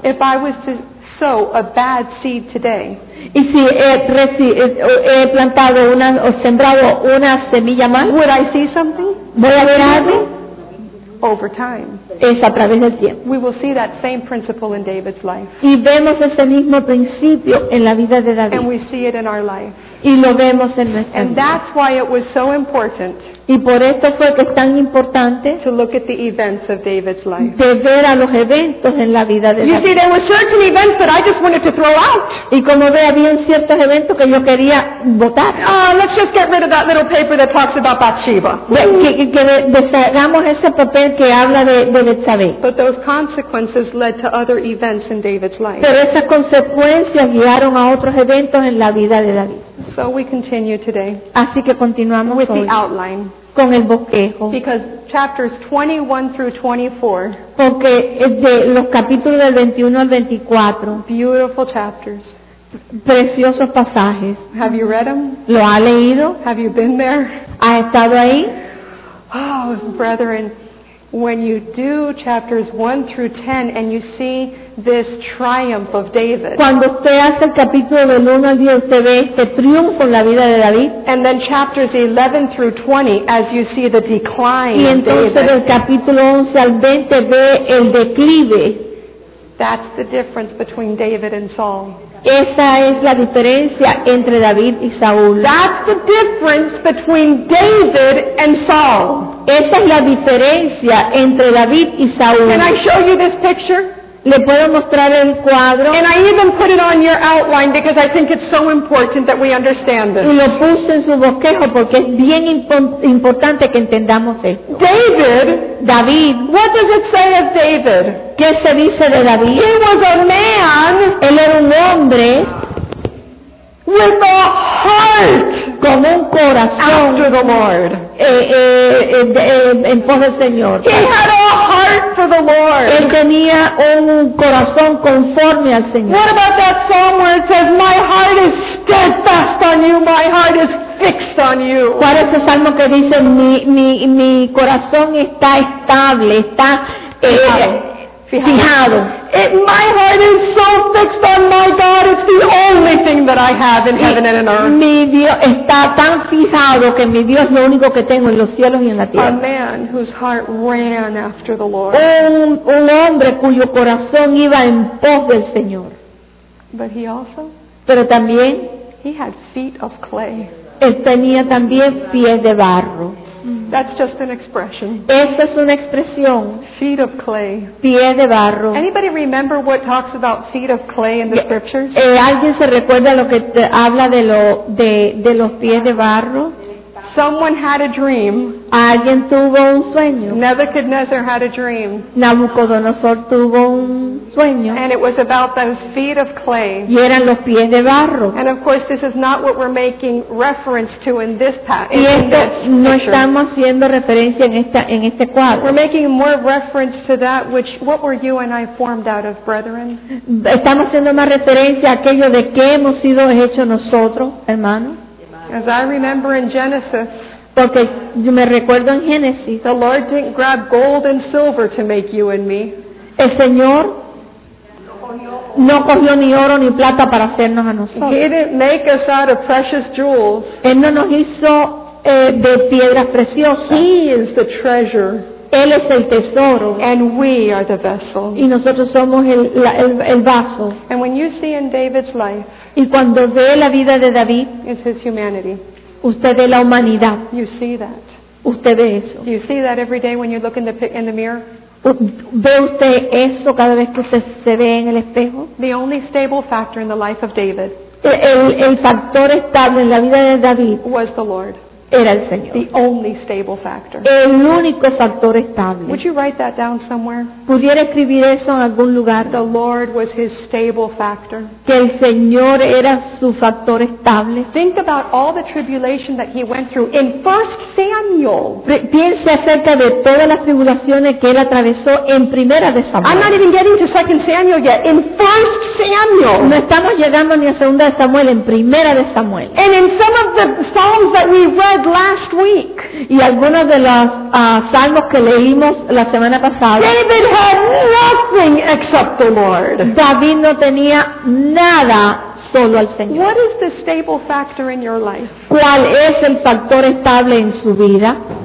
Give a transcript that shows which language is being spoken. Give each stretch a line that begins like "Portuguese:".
English: If I was to sow a bad seed today,
Spanish: y si he plantado una o sembrado una semilla mal,
English: would I see something?
Spanish: ¿Voy a ver algo?
English: Over time,
Spanish: es a través del tiempo.
English: We will see that same principle in David's life.
Spanish: Y vemos ese mismo principio en la vida de David.
English: And we see it in our life.
Spanish: Y lo vemos en nuestra
English: And
Spanish: vida.
English: That's why it was so important.
Spanish: Y por esto fue que es tan importante.
English: To look at the events of David's life.
Spanish: De ver a los eventos en la vida de David.
English: You see, there were certain events that I just wanted to throw out.
Spanish: Y como ve, había ciertos eventos que yo quería botar.
English: Oh, let's just get rid of that little paper that talks about Bathsheba.
Spanish: Que deshagamos ese papel que habla de Betsabé.
English: But those consequences led to other events in David's life.
Spanish: Pero esas consecuencias guiaron a otros eventos en la vida de David.
English: So we continue today.
Spanish: Así que continuamos
English: with the outline.
Spanish: Con el bosquejo.
English: Because chapters 21 through 24.
Spanish: Porque de los capítulos del 21 al 24.
English: Beautiful chapters.
Spanish: Preciosos pasajes.
English: Have you read them?
Spanish: ¿Lo ha leído?
English: Have you been there?
Spanish: ¿Ha estado ahí?
English: Oh, brethren, when you do chapters 1 through 10 and you see this triumph of David.
Spanish: Cuando usted hace el capítulo del 1 al 10, usted ve este triunfo en la vida de David.
English: And then chapters 11 through 20, as you see the decline of David.
Spanish: Y entonces del capítulo 11 al 20 ve el declive.
English: That's the difference between David and Saul.
Spanish: Esa es la diferencia entre David y Saúl.
English: That's the difference between David and Saul.
Spanish: Esa es la diferencia entre David y Saúl.
English: Can I show you this picture?
Spanish: Le puedo mostrar el cuadro.
English: And I even put it on your outline because I think it's so important that we understand this.
Spanish: Y lo puse en su bosquejo porque es bien importante que entendamos esto.
English: David. What does it say of David?
Spanish: ¿Qué se dice de David?
English: He was a man.
Spanish: Él era un hombre.
English: With a heart.
Spanish: Con un corazón.
English: After the Lord.
Spanish: En pos del Señor.
English: He had a heart for the Lord.
Spanish: Él tenía un corazón conforme al Señor.
English: What about that psalm where it says, "My heart is steadfast on you, my heart is fixed on you"?
Spanish: ¿Cuál es el salmo que dice mi corazón está estable, está fijado?
English: It, my heart is so fixed on my God. It's the only thing that I have in heaven and in earth.
Spanish: Mi Dios está tan fijado que mi Dios es lo único que tengo en los cielos y en la tierra.
English: A man whose heart ran after the Lord.
Spanish: Un hombre cuyo corazón iba en pos del Señor.
English: But he also.
Spanish: Pero también.
English: He had feet of clay.
Spanish: Él tenía también pies de barro.
English: That's just an expression.
Spanish: Esa es una expresión.
English: Feet of clay.
Spanish: Pie de barro.
English: Anybody remember what talks about feet of clay in the scriptures?
Spanish: ¿Alguien se recuerda lo que habla de los pies de barro?
English: Someone had a dream.
Spanish: Alguien tuvo un sueño.
English: Nebuchadnezzar had a dream.
Spanish: Nabucodonosor tuvo un sueño.
English: And it was about those feet of clay.
Spanish: Y eran los pies de barro.
English: And of course, this is not what we're making reference to in this passage.
Spanish: Y esto no estamos haciendo referencia en este cuadro.
English: We're making more reference to that which what were you and I formed out of, brethren?
Spanish: Estamos haciendo más referencia a aquello de qué hemos sido hechos nosotros, hermanos.
English: As I remember in Genesis,
Spanish: porque yo me recuerdo en Génesis,
English: the Lord didn't grab gold and silver to make you and me.
Spanish: El Señor no cogió ni oro ni plata para hacernos a nosotros.
English: He didn't make us out of precious jewels.
Spanish: Él no nos hizo de piedras preciosas.
English: He is the treasure.
Spanish: Él es el tesoro.
English: And we are the vessel.
Spanish: Y nosotros somos el vaso.
English: And when you see in David's life,
Spanish: y cuando ve la vida de David,
English: it's his humanity.
Spanish: Usted ve la humanidad.
English: You see that.
Spanish: Usted ve eso.
English: Do you see that every day when you look in the mirror?
Spanish: ¿Ve usted eso cada vez que se ve en el espejo?
English: The only stable factor in the life of David.
Spanish: El factor estable en la vida de David
English: was the Lord.
Spanish: Era el Señor.
English: The only stable factor.
Spanish: El único factor estable.
English: Would you write that down somewhere?
Spanish: ¿Pudiera escribir eso en algún lugar?
English: The Lord was his stable factor.
Spanish: Que el Señor era su factor estable.
English: Think about all the tribulation that he went through in 1 Samuel.
Spanish: Piense acerca de todas las tribulaciones que él atravesó en Primera de Samuel.
English: I'm not even getting to 2 Samuel yet. In 1 Samuel.
Spanish: No estamos llegando ni a Segunda de Samuel, en Primera de Samuel.
English: And in some of the psalms that we read, read last week.
Spanish: Y algunos de los salmos que leímos la semana pasada.
English: David had nothing except the Lord.
Spanish: David no tenía nada solo al Señor.
English: What is the stable factor in your life?
Spanish: ¿Cuál es el factor estable en su vida?